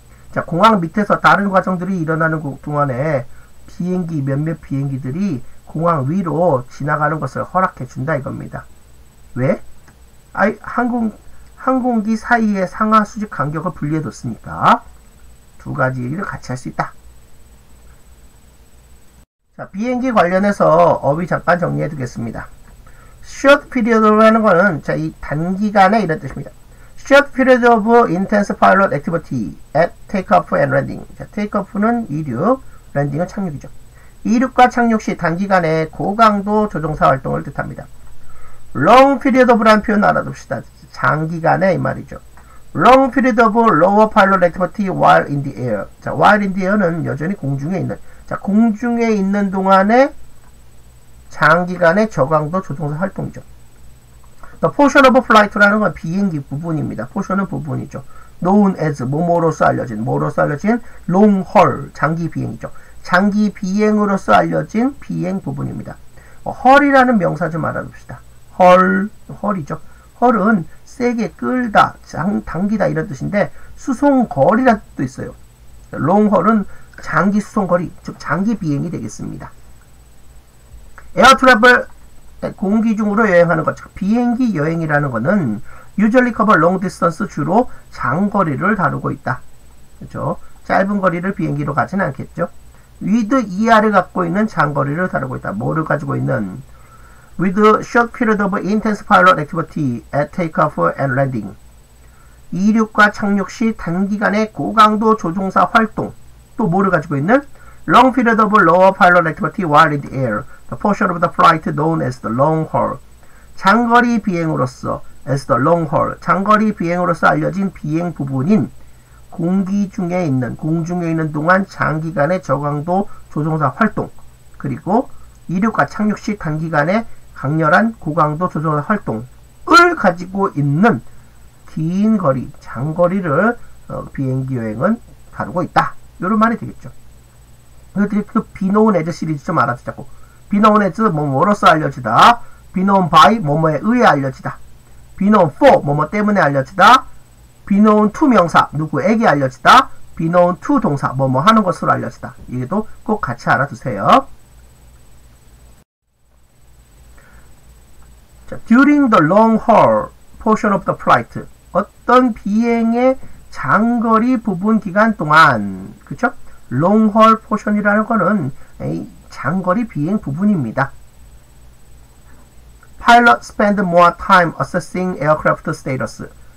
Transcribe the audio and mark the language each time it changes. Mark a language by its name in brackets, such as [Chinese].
[Korean] 자, 공항 밑에서 다른 과정들이 일어나는 동안에 비행기 몇몇 비행기들이 공항 위로 지나가는 것을 허락해 준다 이겁니다. 왜? 항공기 사이의 상하 수직 간격을 분리해뒀으니까 두 가지 얘기를 같이 할 수 있다. 자, 비행기 관련해서 어휘 잠깐 정리해두겠습니다. [English] Short period [Korean] 라는 것은 이 단기간의 이런 뜻입니다. [English] Short period of intense pilot activity at takeoff and landing. [Korean] 자, takeoff는 이륙, landing은 착륙이죠. 이륙과 착륙 시 단기간의 고강도 조종사 활동을 뜻합니다. [English] Long period of [Korean] 라는 표현 알아둡시다. 장기간의 이 말이죠. [English] Long period of lower pilot activity while in the air. [Korean] 자, [English] while in the air [Korean] 는 여전히 공중에 있는. 자, 공중에 있는 동안에 장기간의 저강도 조종사 활동이죠. [English] The portion of flight [Korean] 라는 건 비행기 부분입니다. Portion은 부분이죠. [English] Known as [Korean] 뭐뭐로서 알려진 [English] long haul [Korean] 장기 비행이죠. 장기 비행으로서 알려진 비행 부분입니다. Haul이라는 명사 좀 알아둡시다. Haul이죠. Haul은 세게 끌다, 당기다 이런 뜻인데 수송거리란 뜻도 있어요. Long haul은 장기 수송거리, 즉 장기 비행이 되겠습니다. 에어트래블, 공기 중으로 여행하는 것, 즉 비행기 여행이라는 것은 [English] usually cover long distance, [Korean] 주로 장거리를 다루고 있다. 그렇죠? 짧은 거리를 비행기로 가지는 않겠죠. With, ER을 갖고 있는 장거리를 다루고 있다. 뭐를 가지고 있는? [English] With a short period of intense pilot activity at takeoff and landing. [Korean] 이륙과 착륙 시 단기간의 고강도 조종사 활동. 또 뭐를 가지고 있는? [English] Long period of lower pilot activity while in the air. The portion of the flight known as the long haul. [Korean] 장거리 비행으로서, [English] as the long haul. [Korean] 장거리 비행으로서 알려진 비행 부분인 공중에 있는 동안 장기간의 저강도 조종사 활동. 그리고 이륙과 착륙 시 단기간의 강렬한 고강도 조종사 활동을 가지고 있는 긴 거리, 장거리를 비행기 여행은 다루고 있다. 이런 말이 되겠죠. 그 [English] 비노운 에즈 [Korean] 시리즈 좀 알아두자고. 비노운 에즈 뭐뭐로서 알려지다. [English] 비노운 바이 [Korean] 뭐뭐에 의해 알려지다. [English] 비노운 포 [Korean] 뭐뭐 때문에 알려지다. [English] 비노운 투 [Korean] 명사 누구에게 알려지다. 비노운 투 동사 뭐뭐 하는 것으로 알려지다. 이것도 꼭 같이 알아두세요. [English] During the long haul portion of the flight. [Korean] 어떤 비행의 장거리 부분 기간 동안. 그쵸? [English] Long haul portion [Korean] 이라는 거는 장거리 비행 부분입니다. [English] Pilot spend more time assessing aircraft status.